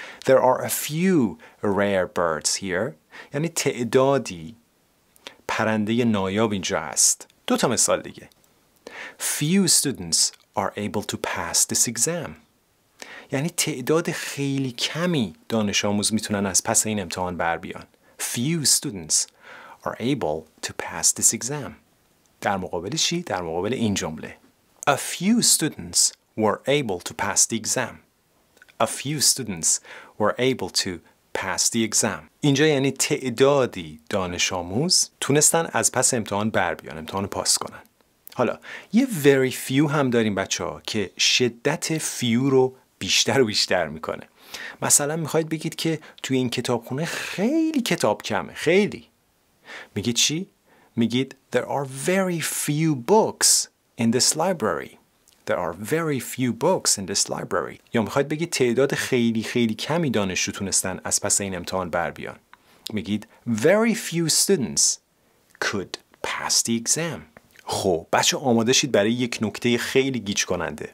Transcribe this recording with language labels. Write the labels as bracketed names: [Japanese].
[English] There are a few rare birds here [Persian] یعنی تعدادی پرنده نایاب اینجا هست. دو تا مثال دیگه. [English] Few students are able to pass this exam [Persian] یعنی تعداد خیلی کمی دانش آموز میتونن از پس این امتحان بر بیان. [English] Few students are able to pass this exam. [Persian] در مقابل چی؟ در مقابل این جمله. [English] A few students were able to pass the exam. A few students were able to pass the exam. [Persian] اینجا یعنی تعدادی دانش آموز تونستن از پس امتحان بر بیان، امتحان پاس کنن. حالا یه very few هم داریم بچه ها که شدت few رو بیشتر و بیشتر میکنه. مثلا میخواید بگید که توی این کتابخونه خیلی کتاب کمه. خیلی. میگید چی؟ میگید [English] There are very few books in this library. There are very few books in this library. [Persian] یا میخواید بگید تعداد خیلی خیلی کمی دانشجو تونستن از پس این امتحان بر بیان. میگید [English] Very few students could pass the exam. [Persian] خب بچه آماده شید برای یک نکته خیلی گیج کننده.